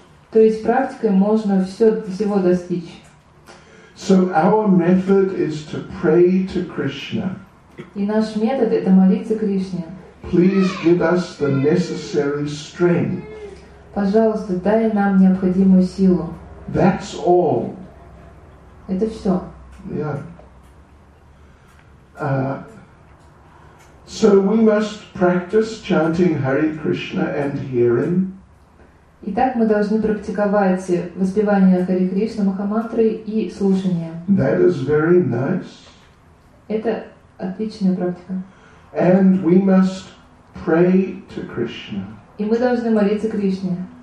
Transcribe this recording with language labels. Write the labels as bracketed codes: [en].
[ru] То есть практикой можно всего достичь. [en] So our method is to pray to Krishna. [ru] И наш метод – это молиться Кришне. [en] Please give us the necessary strength. [ru] Пожалуйста, дай нам необходимую силу. [en] That's all. [ru] Это все. Yeah. [en] So we must practice chanting Hare Krishna and hearing. [ru] Итак, мы должны практиковать воспевание Хари Кришна, Махамантры и слушание. [en] That is very nice. [ru] Это отличная практика. [en] And we must pray to Krishna. [ru] И мы должны молиться Кришне.